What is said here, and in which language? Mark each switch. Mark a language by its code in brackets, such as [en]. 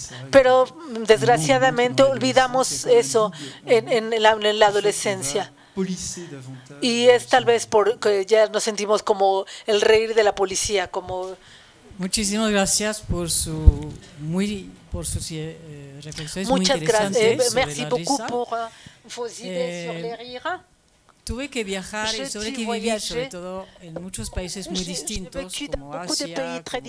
[es] Pero desgraciadamente olvidamos eso en la adolescencia. Y es tal vez porque ya nos sentimos como el reír de la policía, como muchísimas gracias por su muy por sus reflexiones. Muchas muy interesantes gracias. [fr] Merci beaucoup pour vos idées sur les rires. [es] Tuve que viajar y sobre que viví, sobre todo en muchos países muy distintos, como Asia,